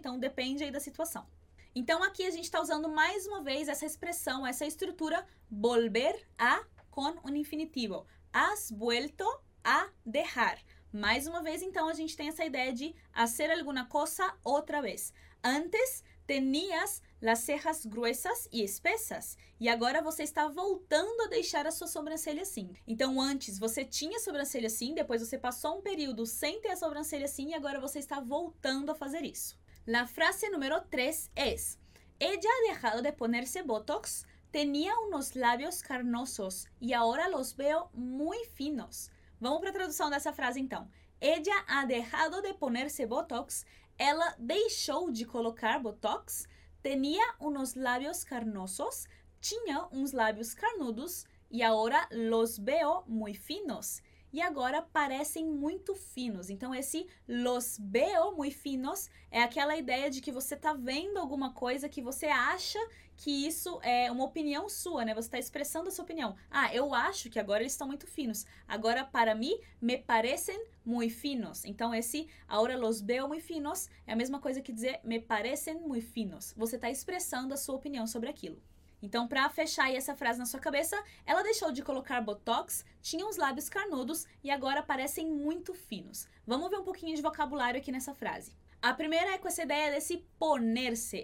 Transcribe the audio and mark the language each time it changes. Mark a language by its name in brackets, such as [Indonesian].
[Portuguese] Então, depende aí da situação. Então, aqui a gente está usando mais uma vez essa expressão, essa estrutura, volver a [Spanish] con un infinitivo. Has vuelto a dejar. [Portuguese] Mais uma vez, então, a gente tem essa ideia de [Spanish] hacer alguna cosa [Portuguese] outra vez. [Spanish] Antes, tenías las cejas gruesas y espesas. [Portuguese] E agora você está voltando a deixar a sua sobrancelha assim. Então, antes você tinha sobrancelha assim, depois você passou um período sem ter a sobrancelha assim e agora você está voltando a fazer isso. [Spanish] La frase número 3 es: ella ha dejado de ponerse botox, tenía unos labios carnosos y ahora los veo muy finos. [Portuguese] Vamos para a tradução dessa frase então. [Spanish] Ella ha dejado de ponerse botox, [Portuguese] ela deixou de colocar botox, [Spanish] tenía unos labios carnosos, [Portuguese] tinha uns lábios carnudos [Spanish] e ahora los veo muy finos. [Portuguese] E agora parecem muito finos. Então, esse [Spanish] los veo muy finos [Portuguese] é aquela ideia de que você está vendo alguma coisa que você acha que isso é uma opinião sua, né? Você está expressando a sua opinião. Ah, eu acho que agora eles estão muito finos. Agora, para mim, [Spanish] me parecen muy finos. [Portuguese] Então, esse [Spanish] ahora los veo muy finos [Portuguese] é a mesma coisa que dizer [Spanish] me parecen muy finos. [Portuguese] Você está expressando a sua opinião sobre aquilo. Então, para fechar aí essa frase na sua cabeça, ela deixou de colocar botox, tinha uns lábios carnudos e agora parecem muito finos. Vamos ver um pouquinho de vocabulário aqui nessa frase. A primeira é com essa ideia desse poner-se.